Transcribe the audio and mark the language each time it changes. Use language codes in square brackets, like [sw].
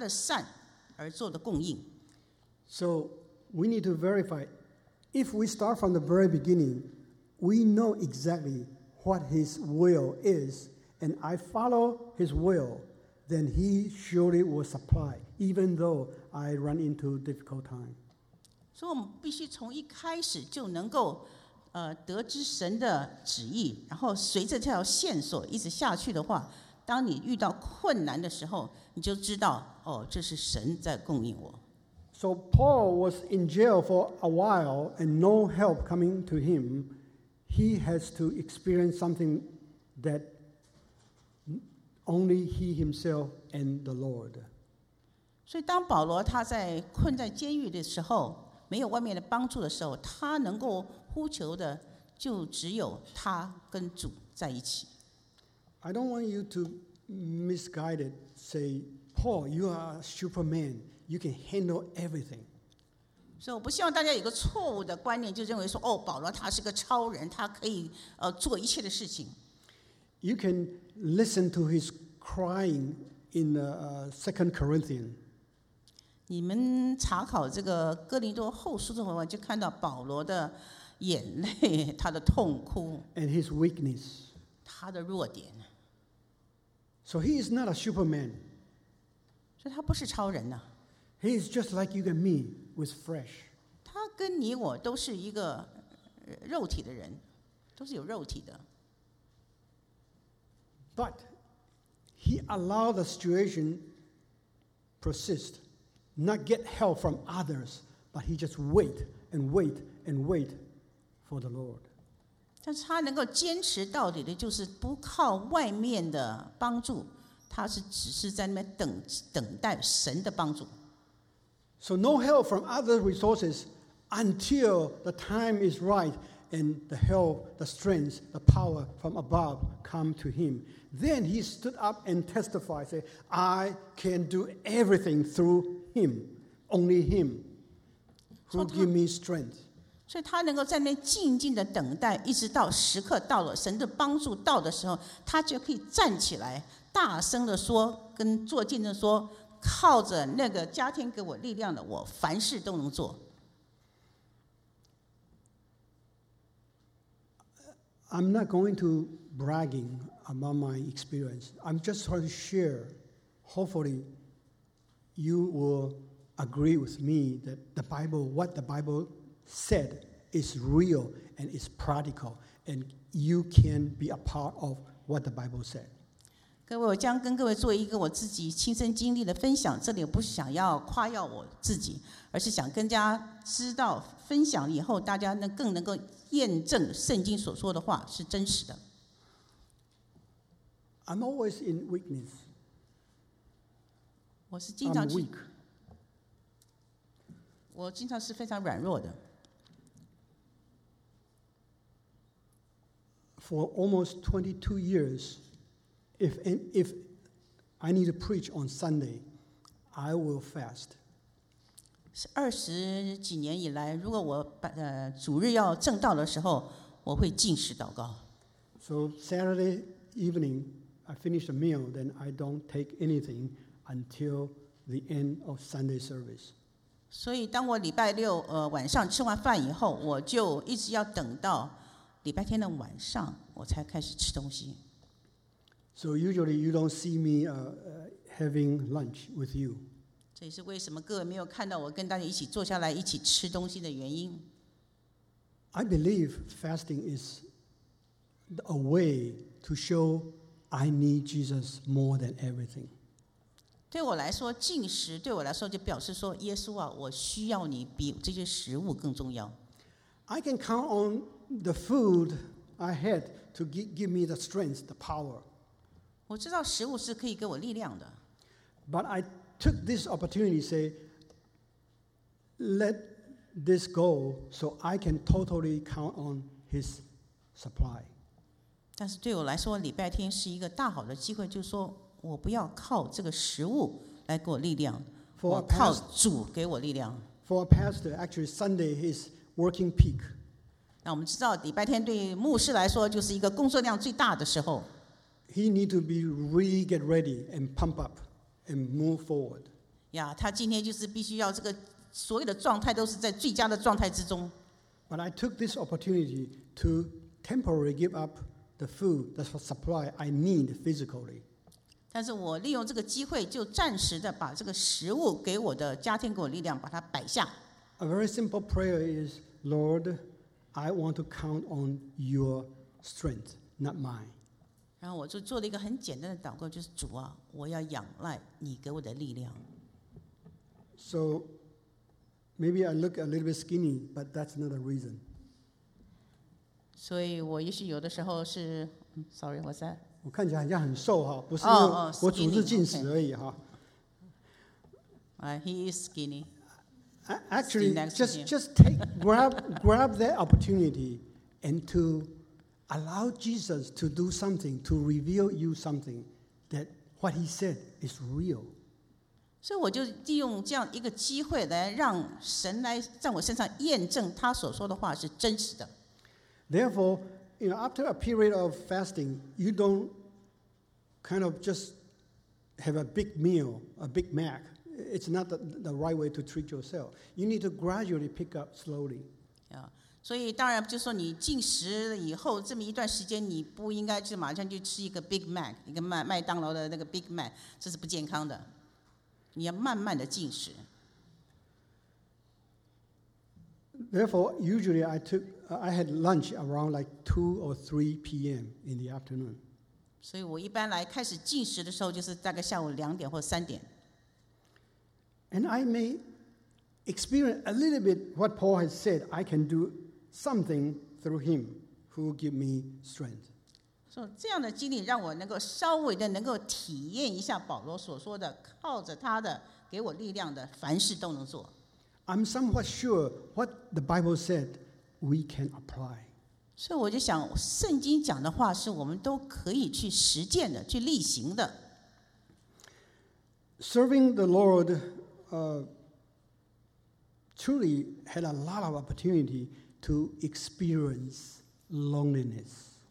[zh] 他的供应是完全是为了他的美、他的善而做的供应。 [en] So we need to verify, if we start from the very beginning, we know exactly what his will is, and I follow his will, then he surely will supply, even though I run into difficult time. [zh] 所以我们必须从一开始就能够 得知神的旨意，然后随着这条线索一直下去的话，当你遇到困难的时候，你就知道，哦，这是神在供应我。 [en] So Paul was in jail for a while and no help coming to him. He has to experience something that only he himself and the Lord. [zh] 所以当保罗他在困在监狱的时候，没有外面的帮助的时候，他能够呼求的就只有他跟主在一起。 [en] I don't want you to misguided say, Paul, you are a superman, you can handle everything. [zh] 所以我不希望大家有个错误的观念，就认为说，哦，保罗他是个超人，他可以做一切的事情。 [en] You can listen to his crying in Second Corinthians. [zh] 你们查考这个哥林多后书的话，就看到保罗的眼泪，他的痛哭。 [en] And his weakness. [zh] 他的弱点。 [en] So he is not a superman. [zh] 所以他不是超人呐。 [en] He is just like you and me, with flesh. [zh] 他跟你我都是一个肉体的人，都是有肉体的。 [en] But he allowed the situation persist, not get help from others, but he just wait and wait and wait for the Lord. [zh] 但是他能够坚持到底的，就是不靠外面的帮助，他是只是在那边等待神的帮助。 [en] So no help from other resources until the time is right. And the help, the strength, the power from above come to him. Then he stood up and testified, said, I can do everything through him, only him, who give me strength. [zh] 所以他能够在那静静的等待，一直到时刻到了，神的帮助到的时候，他就可以站起来，大声的说，跟做见证说，靠着那个加添给我力量的，我凡事都能做。 [en] I'm not going to bragging about my experience. I'm just trying to share. Hopefully, you will agree with me that the Bible, what the Bible said, is real and is practical, and you can be a part of what the Bible said. [zh] 各位，我将跟各位做一个我自己亲身经历的分享。这里我不是想要夸耀我自己，而是想跟大家知道分享以后，大家能更能够。验证圣经所说的话是真实的。 [en] I'm always in weakness. [zh] 我是经常 [en] I'm weak. [zh] 我经常是非常软弱的。 [en] For almost 22 years, if I need to preach on Sunday, I will fast. [zh] 二十几年以来，如果我主日要正道的时候，我会禁食祷告。 [en] So Saturday evening, I finish the meal, then I don't take anything until the end of Sunday service. [zh] 所以当我礼拜六晚上吃完饭以后，我就一直要等到礼拜天的晚上，我才开始吃东西。 [en] So usually you don't see me having lunch with you. [zh] 这也是为什么各位没有看到我跟大家一起坐下来一起吃东西的原因。 [en] I believe fasting is a way to show I need Jesus more than everything. [zh] 对我来说，禁食对我来说就表示说，耶稣啊，我需要你比这些食物更重要。 [en] I can count on the food I had to give me the strength, the power. [zh] 我知道食物是可以给我力量的。 [en] But I. Took this opportunity to say, let this go so I can totally count on his supply. [zh] 但是对我来说，礼拜天是一个大好的机会，就是说我不要靠这个食物来给我力量，我靠主给我力量。 [en] For a pastor, actually Sunday is working peak. [zh] 那我们知道礼拜天对牧师来说就是一个工作量最大的时候。 [en] He need to be really get ready and pump up. And move forward. Yeah, [zh] 他今天就是必须要这个所有的状态都是在最佳的状态之中。 [en] But I took this opportunity to temporarily give up the food, the supply I need physically. [zh] 但是我利用这个机会就暂时的把这个食物给我的家庭给我力量把它摆下。 [en] A very simple prayer is, Lord, I want to count on your strength, not mine. [zh] 然后我就做了一个很简单的祷告，就是主啊，我要仰赖你给我的力量。 [en] So maybe I look a little bit skinny, but that's not a reason. [zh] 所以我也许有的时候是 ， [en] sorry， [zh] 我在。我看起来好像很瘦哈，不是因为我主日进食而已哈。 [en] He is skinny. Actually, just take grab that opportunity and to allow Jesus to do something, to reveal you something, that what he said is real. So [zh] 我就利用这样一个机会来让神来在我身上验证他所说的话是真实的。 [en] Therefore, you know, after a period of fasting, you don't kind of just have a big meal, a Big Mac. It's not the right way to treat yourself. You need to gradually pick up slowly. Yeah. [zh] 所以当然就是说你进食以后这么一段时间，你不应该就马上就吃一个 Big Mac, 一个麦当劳的那个 Big Mac, 这是不健康的。你要慢慢的进食。 [en] Therefore, usually I had lunch around like 2 or 3 p.m. in the afternoon. [zh] 所以我一般来开始进食的时候就是大概下午2点或3点。 [en] And I may experience a little bit what Paul has said, I can do something through him who will give me strength. So, [zh] 这样的经历让我能够稍微的能够体验一下保罗所说的靠着他的给我力量的凡事都能做。 [en] I'm somewhat sure what the Bible said we can apply. [zh] 所以我就想圣经讲的话是我们都可以去实践的去例行的。 [en] Serving the Lord truly had a lot of opportunity to experience loneliness.